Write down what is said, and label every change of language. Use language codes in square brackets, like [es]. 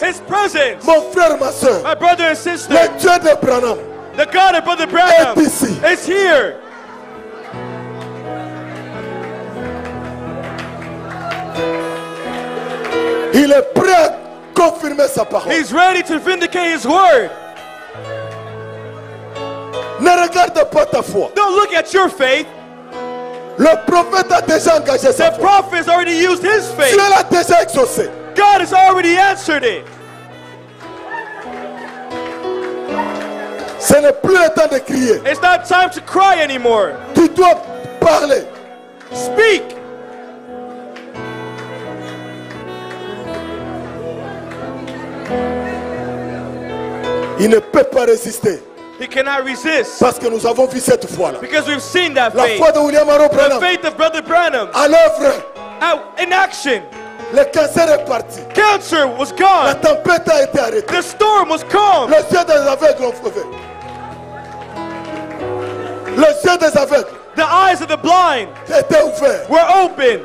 [en] His presence. [fr] Mon frère, ma soeur. [en] My brother and sister. [fr] Le Dieu de Branham. [en] The God of Brother Branham. [fr] Est ici. [en] Is here. [fr] Il est prêt à confirmer sa parole. [en] He's ready to vindicate his word. [fr] Ne regarde pas ta foi. [en] Don't look at your faith. [fr] Le prophète a déjà engagé sa foi. [en] The prophet has already used his faith. [fr] Dieu l'a déjà exaucé. [en] God has already answered it. [fr] Ce n'est plus le temps de crier. [en] It's not time to cry anymore. [fr] Tu dois parler. [en] Speak. [fr] Il ne peut pas résister. [en] He cannot resist. [fr] Parce que nous avons vu cette foi-là. [en] Because we've seen that [fr] la [en] faith. [fr] Foi de William Arrow Branham. [en] The faith of Brother Branham. [fr] À l'œuvre. [en] In action. [fr] Le cancer est parti. [en] Cancer was gone. [fr] La tempête a été arrêtée. [en] The storm was calm. [fr] Le ciel des aveugles ont ouvert. Le ciel des aveugles. [en] The eyes of the blind were open